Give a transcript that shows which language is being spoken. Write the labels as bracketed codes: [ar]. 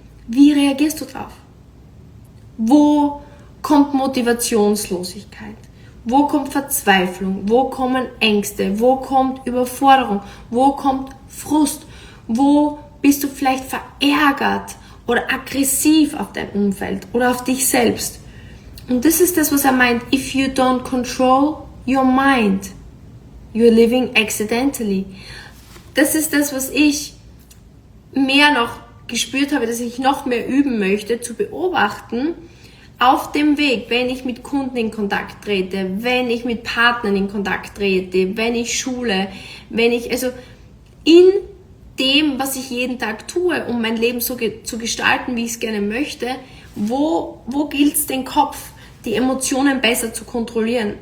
[de] Wie reagierst du drauf? Wo kommt Motivationslosigkeit? Wo kommt Verzweiflung? Wo kommen Ängste? Wo kommt Überforderung? Wo kommt Frust? Wo bist du vielleicht verärgert oder aggressiv auf dein Umfeld oder auf dich selbst? Und das ist das, was er meint. [en] If you don't control your mind, you're living accidentally. [de] Das ist das, was ich mehr noch gespürt habe, dass ich noch mehr üben möchte, zu beobachten, auf dem Weg, wenn ich mit Kunden in Kontakt trete, wenn ich mit Partnern in Kontakt trete, wenn ich schule, wenn ich, also in dem, was ich jeden Tag tue, um mein Leben so zu gestalten, wie ich es gerne möchte, wo gilt es den Kopf, die Emotionen besser zu kontrollieren?